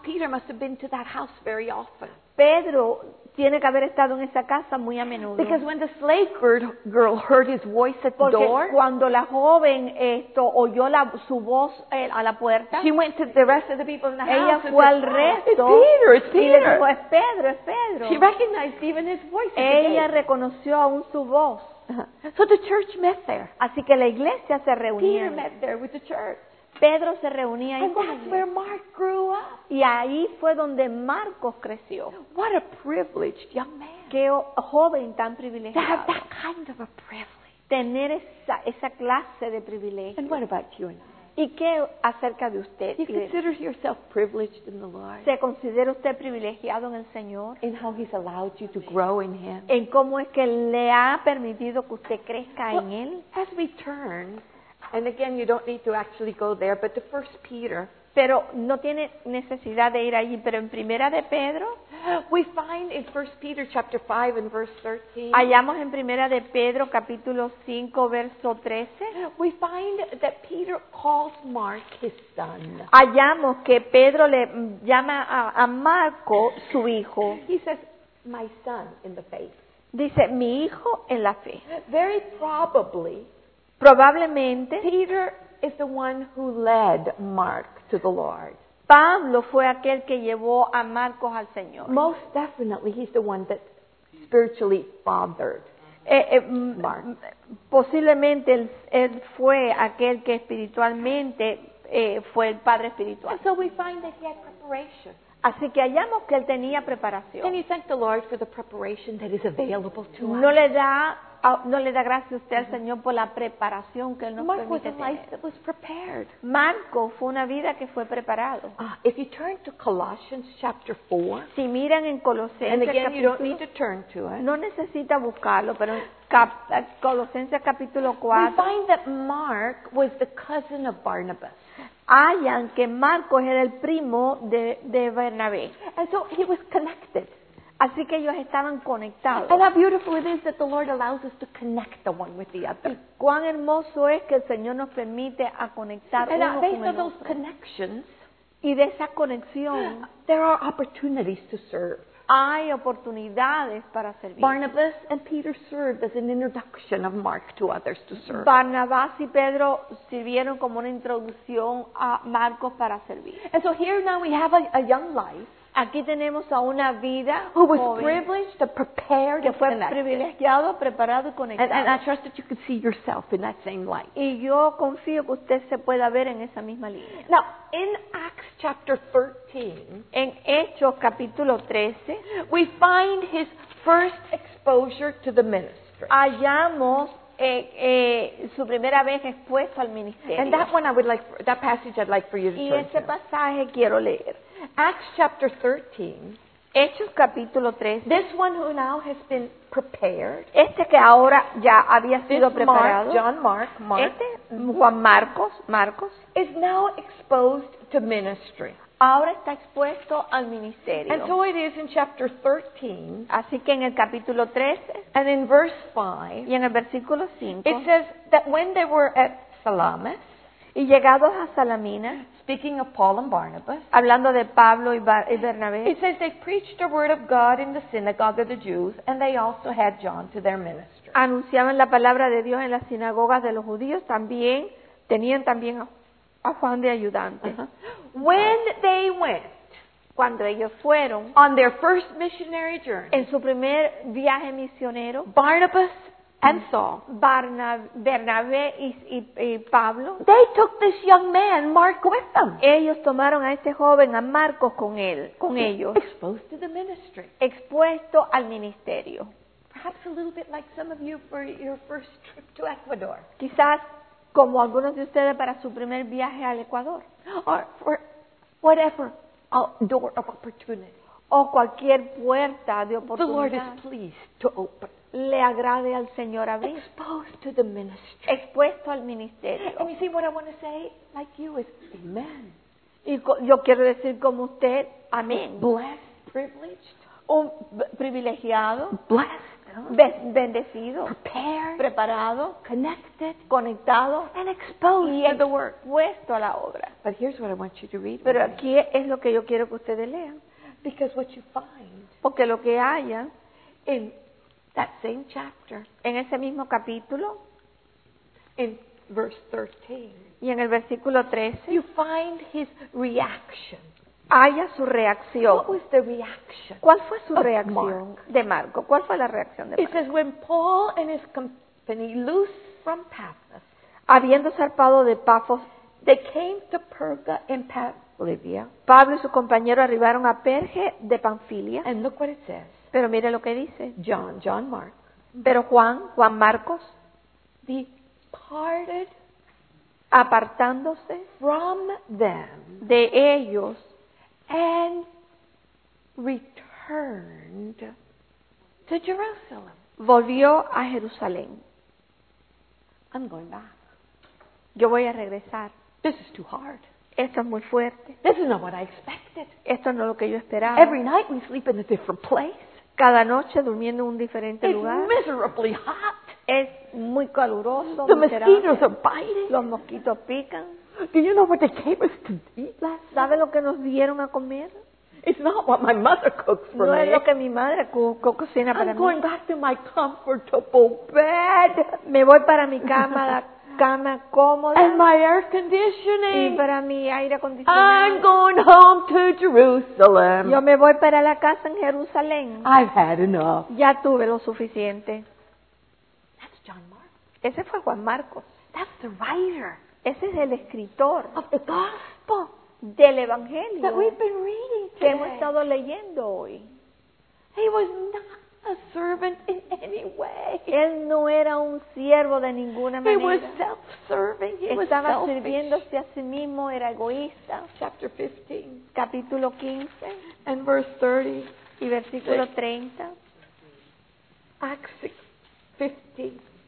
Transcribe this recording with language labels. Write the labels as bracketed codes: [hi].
[en] Peter must have been to that house very often. [es] Pedro tiene que haber estado en esa casa muy a menudo. [en] Because when the slave girl heard his voice at the [es] Porque [en] door, [es] cuando la joven oyó su voz a la puerta, [en] she went to the rest of the people in the house. [es] Ella fue al resto. [en] It's Peter, it's Peter. [es] Y le dijo, es Pedro, es Pedro. [en] She recognized even his voice. [es] Ella reconoció aún su voz. [en] So the church met there. [es] Así que la iglesia se reunía. [en] Peter met there with the church. [es] Pedro se reunía [en] ahí. And that's where Mark grew up. [es] Y ahí fue donde Marcos creció. [en] What a privileged young man. [es] Qué joven tan privilegiado. [en] To have that kind of a privilege. [es] Tener esa clase de privilegio. [en] And what about you and I? [es] ¿Y qué acerca de usted? [en] You consider yourself privileged in the Lord? [es] ¿Se considera usted privilegiado en el Señor? [en] In how he's allowed you to grow in him? [es] ¿En cómo es que le ha permitido que usted crezca en él? [en] As we turn, and again, you don't need to actually go there, but to 1 Peter. [es] Pero no tiene necesidad de ir allí, pero en Primera de Pedro. [en] We find in 1 Peter chapter 5 and verse 13. [es] Hallamos en Primera de Pedro capítulo 5 verso 13. [en] We find that Peter calls Mark his son. [es] Hallamos que Pedro le llama a Marco su hijo. [en] He says, "My son in the faith." [es] Dice, "Mi hijo en la fe." [en] Very probably. [es] Probablemente [en] Peter is the one who led Mark to the Lord. [es] Pablo fue aquel que llevó a Marcos al Señor. [en] Most definitely he's the one that spiritually fathered Mark. [es] Posiblemente él fue aquel que espiritualmente fue el padre espiritual. [en] And so we find that he had preparation. [es] Así que hallamos que él tenía preparación. [en] Can you thank the Lord for the preparation that is available to us? [es] No le da gracias usted al Señor por la preparación que él nos [en] Mark Mark was a life that was prepared. [es] Marco fue una vida que fue preparado. [en] If you turn to Colossians chapter 4. [es] Si miran en Colosenses [en] and again, [es] capítulo, [en] you don't need to turn to it. [es] No necesita buscarlo, pero Colosenses capítulo 4. [en] We find that Mark was the cousin of Barnabas. [es] Hallan que Marco era el primo de Bernabé. [en] And so he was connected. [es] Así que ellos estaban conectados. [en] And how beautiful it is that the Lord allows us to connect the one with the other. [es] Y cuán hermoso es que el Señor nos permite a conectar [en] and [es] uno con el otro. [en] And based on those connections, [es] y de esa conexión, [en] there are opportunities to serve. [es] Hay oportunidades para servir. [en] Barnabas and Peter served as an introduction of Mark to others to serve. [es] Barnabás y Pedro sirvieron como una introducción a Marcos para servir. [en] And so here now we have a young life. [es] Aquí tenemos a una vida [en] who was [es] joven, [en] privileged, prepared, [es] que fue privilegiado, preparado y conectado. [en] And I trust that you can see yourself in that same light. [es] Y yo confío que usted se pueda ver en esa misma línea. [en] Now, in Acts chapter 13, [es] en Hechos capítulo 13, [en] we find his first exposure to the ministry. [es] Hallamos su primera vez expuesto al ministerio. [en] And that one I would like, for, that passage I'd like for you to [es] y [en] turn to. [es] Y ese pasaje quiero leer. [en] Acts chapter 13. [es] Hechos capítulo 3. [en] This one who now has been prepared. [es] Este que ahora ya había sido preparado. [en] Mark, John Mark, Mark. [es] Este Juan Marcos, Marcos. [en] Is now exposed to ministry. [es] Ahora está expuesto al ministerio. [en] And so it is in chapter 13. [es] Así que en el capítulo 13. [en] And in verse 5. [es] Y en el versículo 5. [en] It says that when they were at Salamis. [es] Y llegados a Salamina, [en] speaking of Paul and Barnabas, [es] hablando de Pablo y Bernabé, [en] it says they preached the word of God in the synagogue of the Jews, and they also had John to their ministry. [es] Anunciaban la palabra de Dios en las sinagogas de los judíos, también tenían también a Juan de ayudante. [en] Uh-huh. When they went, [es] cuando ellos fueron, [en] on their first missionary journey, [es] en su primer viaje misionero, [en] Barnabas and Saul, [es] Bernabé y Pablo, [en] they took this young man, Mark, with them. [es] Ellos tomaron a este joven, a Marcos, con él, con ellos. [en] Exposed to the ministry. [es] Expuesto al ministerio. [en] Perhaps a little bit like some of you for your first trip to Ecuador. [es] Quizás como algunos de ustedes para su primer viaje al Ecuador. [en] Or for whatever door of opportunity. [es] O cualquier puerta de oportunidad. [en] The Lord is pleased to open. [es] Le agrade al Señor abrir. [en] Exposed to the ministry. [es] Expuesto al ministerio. [en] And you see what I want to say, like you, is amen. [es] Y yo quiero decir como usted, amén. [en] Blessed, privileged. [es] Un privilegiado. [en] Blessed. [es] Bendecido. [en] Prepared. [es] Preparado. [en] Connected. [es] Conectado. [en] And exposed to the work. [es] Expuesto a la obra. [en] But here's what I want you to read. [es] Pero aquí es lo que yo quiero que ustedes lean. [en] Because what you find. [es] Porque lo que haya [en] en that same chapter, [es] en ese mismo capítulo, [en] in verse 13, [es] y en el versículo 13, [en] you find his reaction. [es] Haya su reacción. [en] What was the reaction? [es] ¿Cuál fue su reacción? [en] Mark. [es] De Marco. ¿Cuál fue la reacción de Marco? [en] It says when Paul and his company loosed from Paphos, [es] habiendo zarpado de Paphos, [en] they came to Perga in Pamphylia. [es] Pablo y su compañero arribaron a Perge de Pamfilia. [en] And look what it says. [es] Pero mire lo que dice. [en] John, John Mark. [es] Pero Juan Marcos, [en] departed, [es] apartándose [en] from them, [es] de ellos, [en] and returned to Jerusalem. [es] Volvió a Jerusalén. [en] I'm going back. [es] Yo voy a regresar. [en] This is too hard. [es] Esto es muy fuerte. [en] This is not what I expected. [es] Esto no es lo que yo esperaba. [en] Every night we sleep in a different place. [es] Cada noche durmiendo en un diferente lugar. [en] It's miserably hot. [es] Es muy caluroso. [en] The mosquitoes are biting. [es] Los mosquitos pican. [en] Do you know what they gave us to eat last night? [es] ¿Sabe lo que nos dieron a comer? [en] It's not what my mother cooks for [es] no [en] me. [es] No es lo que mi madre cocina para [en] I'm [es] mí. [en] I'm going back to my comfortable bed. [es] Me voy para mi cama, la cama cómoda. [en] And my air conditioning. [es] Y para mi aire acondicionado. [en] I'm going home to Jerusalem. [es] Yo me voy para la casa en Jerusalén. [en] I've had enough. [es] Ya tuve lo suficiente. [en] That's John Mark. [es] Ese fue Juan Marcos. [en] That's the writer. [es] Ese es el escritor. [en] Of the gospel. [es] Del evangelio. [en] That we've been reading today. [es] Que hemos estado leyendo hoy. [en] He was not a servant in any way. [es] Él no era un siervo de ninguna manera. [en] He was self-serving. He [es] estaba [en] was selfish. [es] Sirviéndose a sí mismo, era egoísta. [en] Chapter 15. [es] Capítulo 15. [en] And verse 30. [es] Y versículo 30. [en] Acts 15.